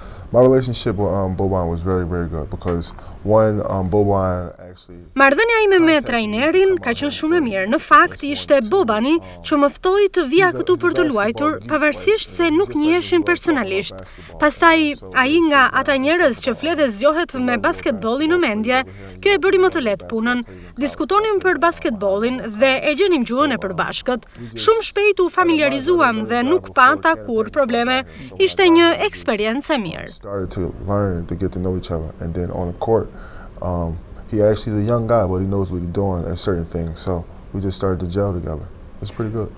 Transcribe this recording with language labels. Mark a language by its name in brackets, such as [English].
[English] My relationship with Boban was very, very good because one Boban actually. [Albanian] Marrëdhënia ime me trajnerin ka qenë shumë e mirë. Në fakt ishte Bobani që më ftoi të vija këtu për të luajtur, pavarësisht se nuk njiheshim personalisht. Pastaj ai nga ata njerëz që fletë zgjohet me basketbollin në mendje, kjo e bëri më të lehtë punën. Diskutonim për basketbollin dhe e gjenim gjuhën e përbashkët. Shumë shpejt u familiarizuam dhe nuk pata kurrë probleme. Ishte një eksperiencë e mirë. [English] Started to learn to get to know each other and then on the court he actually is a young guy but he knows what he's doing and certain things so we just started to gel together. It's pretty good.